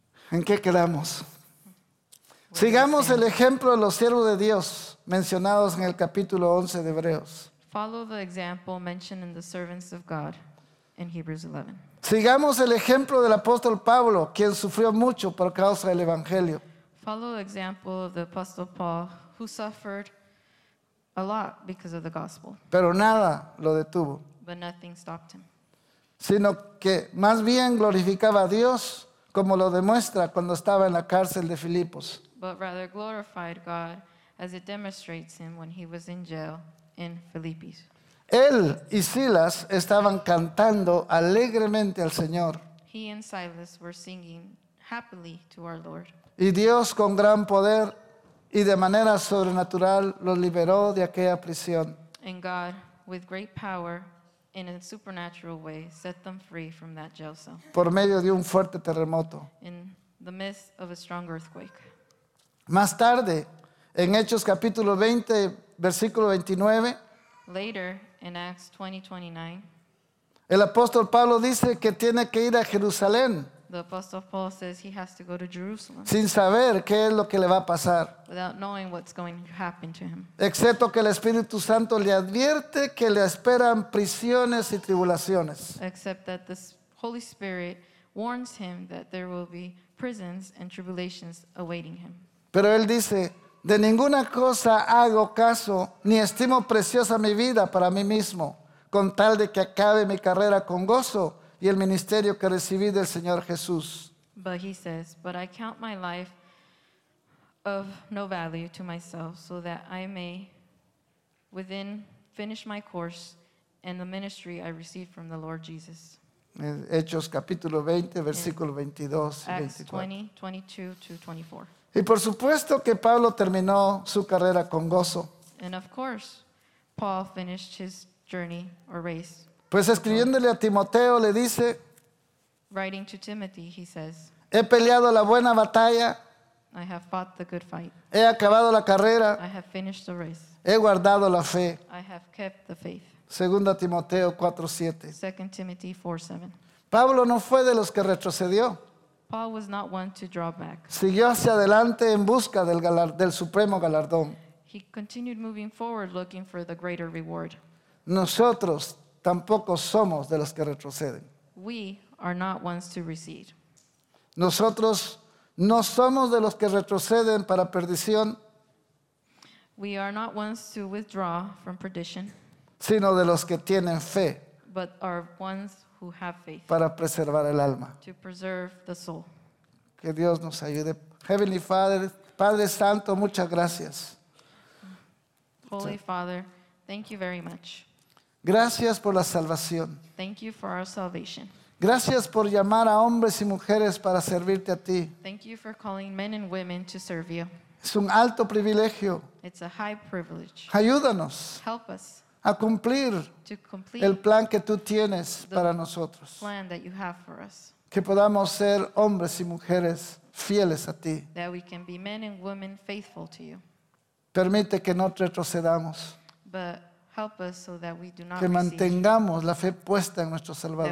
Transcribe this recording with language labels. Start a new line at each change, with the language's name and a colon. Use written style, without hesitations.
Spanish: ¿En qué quedamos? Sigamos el ejemplo de los siervos de Dios mencionados en el capítulo 11 de Hebreos.
English: Follow the example mentioned in the servants of God in Hebrews 11.
Spanish: Sigamos el ejemplo del apóstol Pablo, quien sufrió mucho por causa del evangelio.
English: Follow the example of the apostle Paul, who suffered a lot because of the gospel.
Spanish: Pero nada lo detuvo.
English: But nothing stopped him.
Spanish: Sino que más bien glorificaba a Dios, como lo demuestra cuando estaba en la cárcel de Filipos.
English: But rather glorified God as it demonstrates him when he was in jail in Philippians.
Spanish: Él y Silas estaban cantando alegremente al Señor.
English: He and Silas were singing happily to our Lord.
Spanish: Y Dios con gran poder y de manera sobrenatural los liberó de aquella prisión.
English: And God, with great power, in a supernatural way, set them free from that jail cell.
Spanish: Por medio de un fuerte terremoto.
English: In the midst of a strong earthquake.
Spanish: Más tarde, en Hechos capítulo 20, versículo 29.
English: Later, in Acts 20:29.
Spanish: El apóstol Pablo dice que tiene que ir a Jerusalén.
English: The apostle Paul says he has to go to Jerusalem.
Spanish: Sin saber qué es lo que le va a pasar.
English: Without knowing what's going to happen to him.
Spanish: Excepto que el Espíritu Santo le advierte que le esperan prisiones y tribulaciones.
English: Except that the Holy Spirit warns him that there will be prisons and tribulations awaiting him.
Spanish: Pero él dice, de ninguna cosa hago caso, ni estimo preciosa mi vida para mí mismo, con tal de que acabe mi carrera con gozo y el ministerio que recibí del Señor Jesús.
English: But he says, but I count my life of no value to myself, so that I may within finish my course and the ministry I received from the Lord Jesus.
Spanish: Hechos capítulo 20, versículo 22 y 24.
English: Acts 20:22-24.
Spanish: Y por supuesto que Pablo terminó su carrera con gozo.
English: And of course, Paul finished his journey or race.
Spanish: Pues escribiéndole a Timoteo le dice,
English: writing to Timothy, he says,
Spanish: he peleado la buena batalla.
English: I have fought the good fight.
Spanish: He acabado la carrera.
English: I have finished the race.
Spanish: He guardado la fe.
English: I have kept the faith.
Spanish: Segunda Timoteo 4:7.
English: 2 Timothy 4:7.
Spanish: Pablo no fue de los que retrocedió.
English: Paul was not one to draw back.
Spanish: Siguió hacia adelante en busca del supremo galardón.
English: He continued moving forward looking for the greater reward.
Spanish: Nosotros tampoco somos de los que retroceden.
English: We are not ones to recede.
Spanish: Nosotros no somos de los que retroceden para perdición.
English: We are not ones to withdraw from perdition.
Spanish: Sino de los que tienen fe.
English: But are ones who have faith,
Spanish: para preservar el alma.
English: To preserve the soul.
Spanish: Que Dios nos ayude.
English: Heavenly Father,
Spanish: Padre Santo, muchas gracias.
English: Holy Father, thank you very much.
Spanish: Gracias por la salvación.
English: Thank you for our salvation.
Spanish: Gracias por llamar a hombres y mujeres para servirte a ti.
English: Thank you for calling men and women to serve you.
Spanish: Es un alto privilegio.
English: It's a high privilege.
Spanish: Ayúdanos.
English: Help us.
Spanish: A cumplir el plan que tú tienes para nosotros.
English: Plan that you have for us.
Spanish: Que podamos ser hombres y mujeres fieles a ti.
English: That we can be men and women faithful to you.
Spanish: Permite que no retrocedamos.
English: But help us so that we do not
Spanish: que mantengamos la fe puesta en nuestro Salvador.